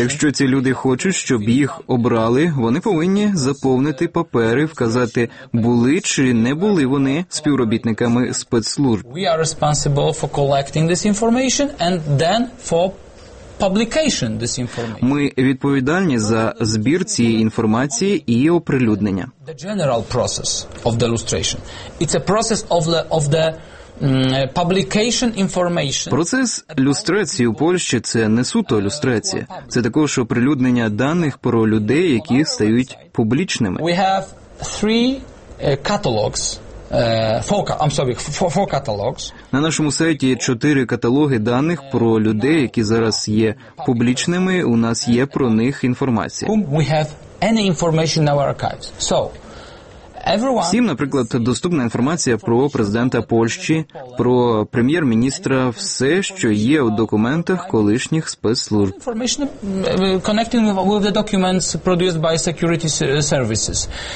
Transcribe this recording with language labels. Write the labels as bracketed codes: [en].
[uk] Якщо ці люди хочуть, щоб їх обрали, вони повинні заповнити папери, вказати, були чи не були вони співробітниками спецслужб. [en] We are responsible for collecting this information and then for publication this information. [uk] Ми відповідальні за збір цієї інформації і оприлюднення. [en] The general process of the lustration. It's a process of the publication information. [uk] Процес люстрації у Польщі – це не суто люстрація. Це також оприлюднення даних про людей, які стають публічними. [en] We have three catalogs. Four catalogs. [uk] На нашому сайті є 4 каталоги даних про людей, які зараз є публічними. У нас є про них інформація. [en] We have any information in our archives. So, [uk] всім, наприклад, доступна інформація про президента Польщі, про прем'єр-міністра, все, що є у документах колишніх спецслужб. [en] Information connecting with the documents produced by security services.